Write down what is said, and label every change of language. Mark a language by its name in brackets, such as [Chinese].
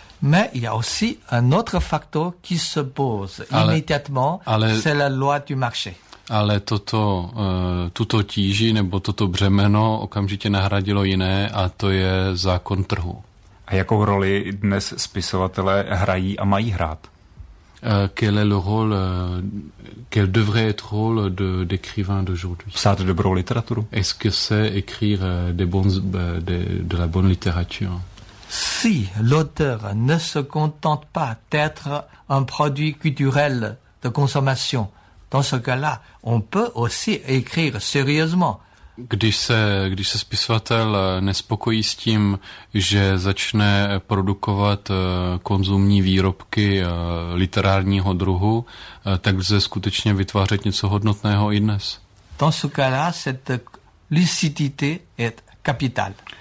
[French] Mais il y a aussi un autre facteur qui se pose immédiatement, c'est la loi du marché. [Czech] Ale toto, tuto tíži nebo toto břemeno okamžitě nahradilo jiné a to je zákon trhu. A jakou roli dnes spisovatelé hrají a mají hrát? [French] Quel est le rôle, quel devrait être le rôle de, d'écrivain d'aujourd'hui? [Czech] Psát [French] de bonne littérature. Est-ce que c'est écrire des bons, de la bonne littérature? Si l'auteur ne se contente pas d'être un produit culturel de consommation, dans ce cas-là, on peut aussi écrire sérieusement. [Czech] Když se spisovatel nespokojí s tím, že začne produkovat konzumní výrobky literárního druhu, tak lze skutečně vytvářet něco hodnotného i dnes. [French] Dans ce cas-là, cette lucidité est capitale.